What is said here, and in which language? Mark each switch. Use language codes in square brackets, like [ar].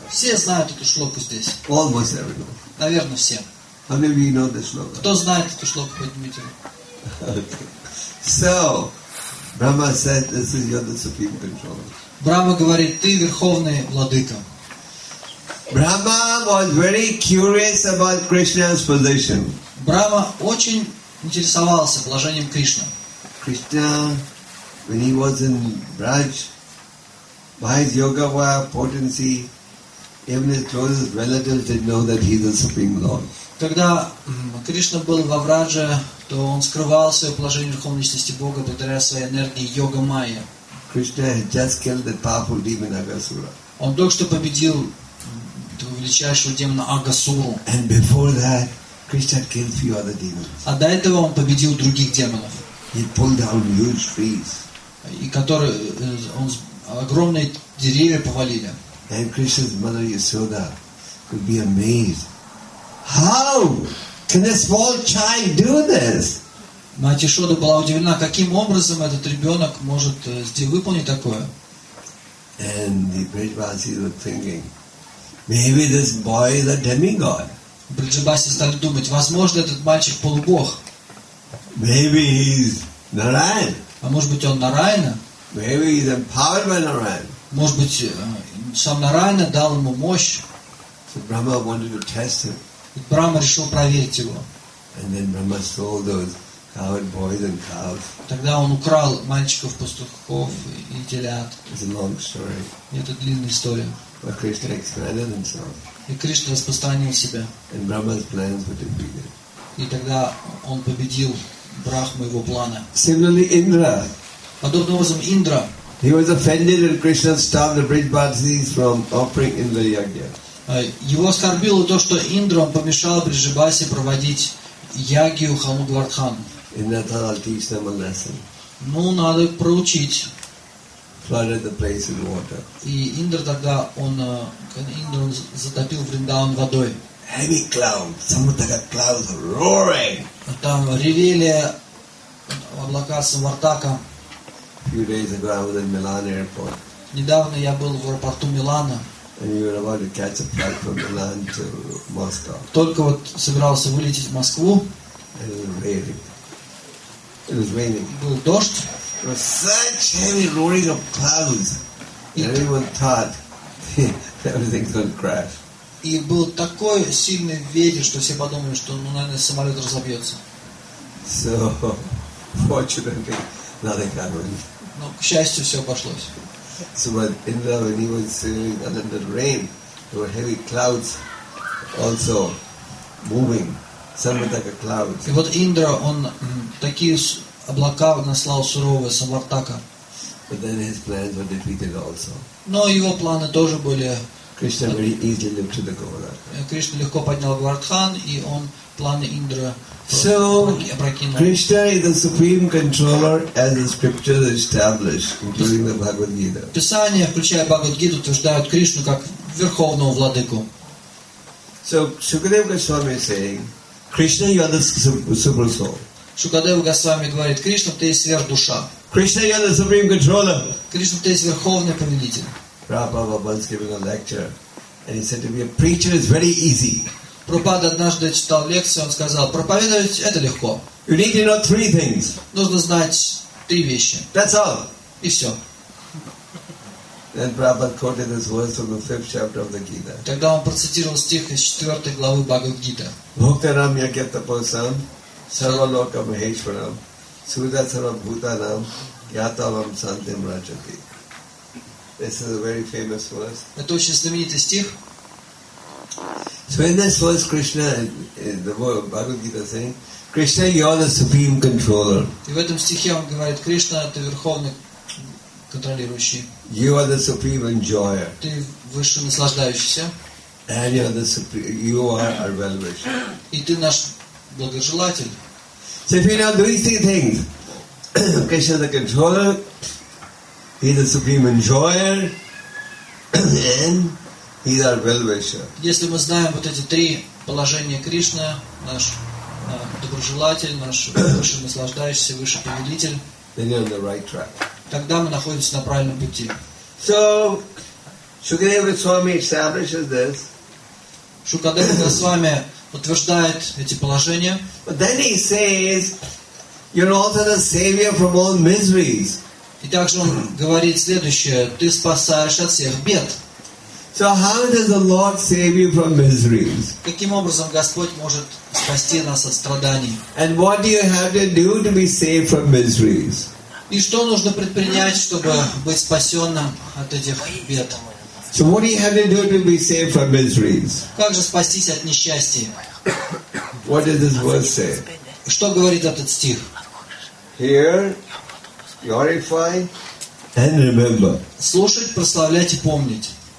[ru] Все знают эту шлоку здесь. [en] Almost everyone. [ru] Наверное, все. [en] How many of you know this shloka? [ru] Кто знает эту шлоку, поднимите руку. [en] So, Brahma said, "This is your supreme controller." [ru] Брахма говорит, ты верховный владыка. [en] Brahma was very curious about Krishna's position. [ru] Брахма очень интересовался положением Кришны. [en] Krishna, when he was in Braj, by his yoga vaya potency, even his closest relatives didn't know that he's the Supreme Lord. [ru] Когда Кришна был во Врадже, то он скрывал свое положение верховной личности Бога благодаря своей энергии йога майя. [en] Krishna had just killed the powerful demon Агасура. [ru] Он только что победил этого величайшего демона Агасуру. [en] And before that, Krishna killed few other demons. [ru] А до этого он победил других демонов. [en] He pulled down huge trees. [ru] И которые он огромные деревья повалили. [en] And Krishna's mother Yasoda could be amazed. How can this small child do this? [ru] Мать Ишода была удивлена, каким образом этот ребенок может выполнить такое. [en] And the Brijbasis were thinking, maybe this boy is a demigod. [ru] Бриджабаси стали думать, возможно, этот мальчик полубог. [en] Maybe he's Narayan. [ru] А может быть, он Нараяна? [en] Maybe he's empowered by Narayan. [ru] Может быть, сам Нараяна дал ему мощь. [en] So Brahma wanted to test him. [ru] И Брахма решил проверить его. [en] And then Brahma stole those coward boys and cows. [ru] Тогда он украл мальчиков, пастухов и телят. [en] It's a long story. [ru] И это длинная история. [en] But Krishna expanded himself. [ru] И Кришна распространил себя. [en] And Brahma's plans were defeated. [ru] И тогда он победил Брахму его планы. [en] Similarly, Indra. [ru] Подобным образом Индра. [en] He was offended when Krishna stopped the Brijbasis from offering Indra Yagya. [ru] Его оскорбило то, что Индра он помешал Бриджабаси проводить Ягью Хану Гвардхан. [en] Indra thought I'll teach them a lesson. [ru] Ну, надо проучить. [en] Flooded the place with water. [ru] И Индра тогда Индра затопил Вриндаван водой. [en] Heavy clouds, samudra clouds roaring. [ru] Там ревели облака Самартака. [en] Few days ago I was in Milan airport. [ru] Недавно я был в аэропорту Милана. [en] And we were about to catch a flight from Milan to Moscow. [ru] Только вот собирался вылететь в Москву. [en] And it was raining. It was raining. [ru] Был дождь. [en] It was such heavy roaring of clouds that everyone thought everything's going to crash. [ru] И был такой сильный ветер, что все подумали, что, ну, наверное, самолет разобьется. [en] So, fortunately, nothing happened. [ru] Но, к счастью, все обошлось. [en] So, when Indra, when he was sailing under the rain, there were heavy clouds also moving. Clouds. [ru] И вот Индра, он такие облака наслал суровые, Самартака. [en] But then his plans were defeated also. [ru] Но его планы тоже были. [en] Krishna very easily looked to the Govardhan. [ru] Кришна легко поднял Говардхан, и он планы Индра. [en] So Krishna is the supreme controller, as the scriptures establish, including the Bhagavad Gita. [ru] Писание, включая Бхагавад Гиту, утверждают Кришну как верховного владыку. [en] So Shukadeva Goswami is saying, Krishna, you are the super soul. [ru] Shukadeva Goswami говорит, Кришна, ты сверхдуша. [en] Krishna, you are the supreme controller. [ru] Кришна, ты верховный повелитель. [en] Prabhupada was giving a lecture, and he said to be a preacher is very easy. [ru] Пропада однажды читал лекцию, он сказал, проповедовать это легко. [en] You need to know three things. [ru] Нужно знать три вещи. [en] That's all. [ru] И все. [en] Then Prabhupada quoted his words from the fifth chapter of the Gita. [ru] Тогда он процитировал стих из четвертой главы Бхагавад Гита. [sa] Bhuktaram yagyatapasam sarvaloka maheshwaram sudasarabhutanam yatavam santim rajati. [en] This is a very famous verse. [ru] Это очень знаменитый стих. [en] So in this verse, Krishna, the Bhagavad Gita is saying, Krishna, you are the supreme controller. [ru] И в этом стихе он говорит, Кришна, ты верховный контролирующий. [en] You are the supreme enjoyer. [ru] Ты высший наслаждающийся. [en] And you are the supreme, you are our well-wisher. [ru] И ты наш благожелатель. [en] So if you know these three things, Krishna the controller, he is the supreme enjoyer, and he's our well-wisher. [ru] Если мы знаем вот эти три положения Кришны, наш доброжелатель, наш высший наслаждающийся, высший повелитель, [en] then you're on the right track. [ru] Тогда мы находимся на правильном пути. [en] So, Shukadeva Goswami establishes this. [ru] Shukadeva Goswami утверждает эти положения. [en] But then he says, you're also the savior from all miseries. [ru] И также он говорит следующее, ты спасаешь от всех бед. [en] So how does the Lord save you from miseries? [ru] Каким образом Господь может спасти нас от страданий? [en] And what do you have to do to be saved from miseries? [ru] И что нужно предпринять, чтобы быть спасенным от этих бед? [en] So what do you have to do to be saved from miseries? [ru] Как же спастись от несчастья? [en] What does this verse say? [ru] Что говорит этот стих? [en] Hear, glorify, and remember. [ru] Слушать, прославлять и помнить.